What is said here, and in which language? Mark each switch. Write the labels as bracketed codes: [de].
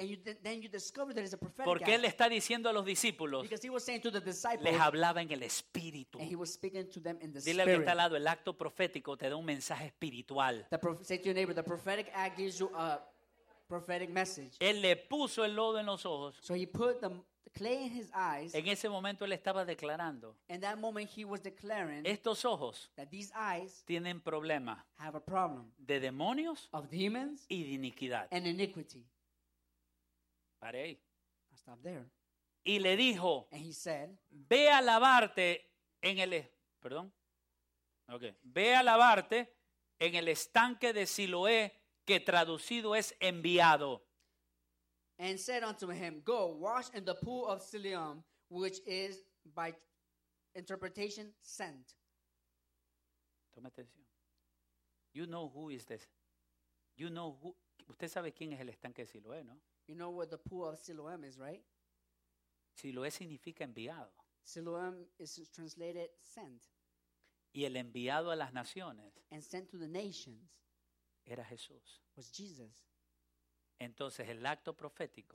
[en] And then you discover that it's a prophetic [es] porque [en] act. [es] Él está diciendo a los discípulos, [en] because he was saying to the disciples, [es] les hablaba en el espíritu. [en] And he was speaking to them in the spirit. [es] Al que está al lado, el acto profético te da un mensaje espiritual. [en] Say to your neighbor, the prophetic act gives you a prophetic message. [es] Él le puso el lodo en los ojos. [en] So he put the clay in his eyes. [es] En ese momento él estaba declarando. [en] In that moment he was declaring. [es] Estos ojos. [en] That these eyes. [es] Tienen problema. [en] Have a problem. [es] De demonios. [en] Of demons. [es] Y de iniquidad. [en] And iniquity. [es] Pare ahí. [en] I stopped there. [es] Y le dijo. [en] And he said. [es] Ve a lavarte en el. Perdón. Okay. Ve a lavarte en el estanque de Siloé, que traducido es enviado. [en] And said unto him, go, wash in the pool of Siloam, which is by interpretation sent. [es] Toma atención. [en] You know who is this. You know who. [es] Usted sabe quién es el estanque de Siloé, ¿no? [en] You know what the pool of Siloam is, right? [es] Siloé significa enviado. [en] Siloam is translated sent. [es] Y el enviado a las naciones. [en] And sent to the nations. [es] Era Jesús. [en] Was Jesus. [es] Entonces el acto profético